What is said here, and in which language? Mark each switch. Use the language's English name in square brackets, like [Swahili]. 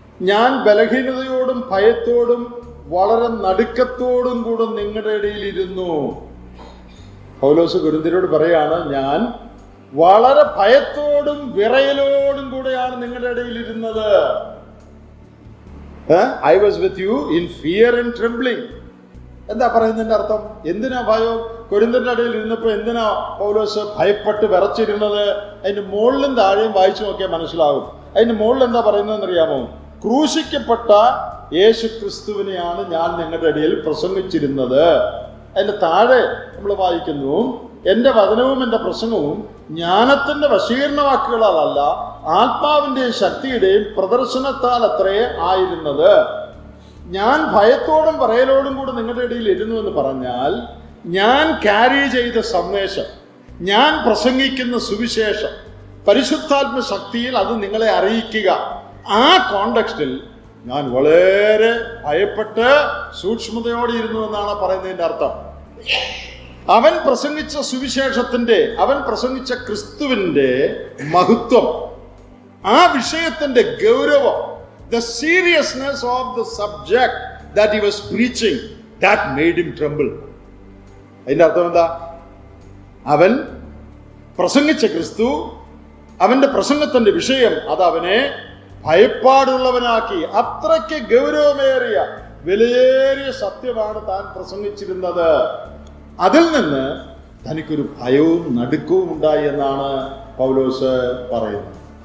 [Malayalam] ഞാൻ ബലഹീനതയോടും ഭയത്തോടും വളരെ നടുക്കത്തോടും കൂടെ നിങ്ങളുടെ ഇടയിൽ ഇരുന്നു. പൗലോസ് കൊരിന്ത്യരോട് പറയാണ്, ഞാൻ വളരെ ഭയത്തോടും വിറയലോടും കൂടെയാണ് നിങ്ങളുടെ ഇടയിൽ ഇരുന്നത്. [English] I was with you in fear and trembling. [Malayalam] എന്താ പറയുന്നതിന്റെ അർത്ഥം? എന്തിനാ ഭയം? കൊരിന്ത്യരുടെ ഇടയിൽ ഇരുന്നപ്പോ എന്തിനാ പൗലോസ് ഭയപ്പെട്ട് വിറച്ചിരുന്നത്? അതിന്റെ മുകളിലും താഴെയും വായിച്ചു നോക്കിയാൽ മനസ്സിലാകും. അതിന്റെ മുകളിൽ എന്താ പറയുന്നതെന്ന് അറിയാമോ? ക്രൂശിക്കപ്പെട്ട യേശു ക്രിസ്തുവിനെയാണ് ഞാൻ നിങ്ങളുടെ ഇടയിൽ പ്രസംഗിച്ചിരുന്നത്. അതിന്റെ താഴെ നമ്മൾ വായിക്കുന്നു, എന്റെ വചനവും എന്റെ പ്രസംഗവും ജ്ഞാനത്തിന്റെ വശീകരണ വാക്കുകളല്ല, ആത്മാവിന്റെയും ശക്തിയുടെയും പ്രദർശനത്താൽ അത്രേ ആയിരുന്നത്. ഞാൻ ഭയത്തോടും പറയലോടും കൂടെ നിങ്ങളുടെ ഇടയിൽ ഇരുന്നു എന്ന് പറഞ്ഞാൽ, ഞാൻ ക്യാരി ചെയ്ത സന്ദേശം, ഞാൻ പ്രസംഗിക്കുന്ന സുവിശേഷം, പരിശുദ്ധാത്മ ശക്തിയിൽ അത് നിങ്ങളെ അറിയിക്കുക, ആ കോണ്ടെക്സ്റ്റിൽ ഞാൻ വളരെ ഭയപ്പെട്ട് സൂക്ഷ്മതയോടെ ഇരുന്നു എന്നാണ് പറയുന്നതിന്റെ അർത്ഥം. അവൻ പ്രസംഗിച്ച സുവിശേഷത്തിന്റെ, അവൻ പ്രസംഗിച്ച ക്രിസ്തുവിന്റെ മഹത്വം, ആ വിഷയത്തിന്റെ ഗൗരവം, [English] the seriousness of the subject that he was preaching, that made him tremble. [Malayalam] അതിന്റെ അർത്ഥം എന്താ? അവൻ പ്രസംഗിച്ച ക്രിസ്തു, അവന്റെ പ്രസംഗത്തിന്റെ വിഷയം, അത് അവനെ ഭയപ്പാടുള്ളവനാക്കി. അത്രയ്ക്ക് ഗൗരവമേറിയ വിലയേറിയ സത്യമാണ് താൻ പ്രസംഗിച്ചിരുന്നത്. അതിൽ നിന്ന് തനിക്കൊരു ഭയവും നടുക്കവും ഉണ്ടായി എന്നാണ് പൗലോസ് പറയുന്നത്.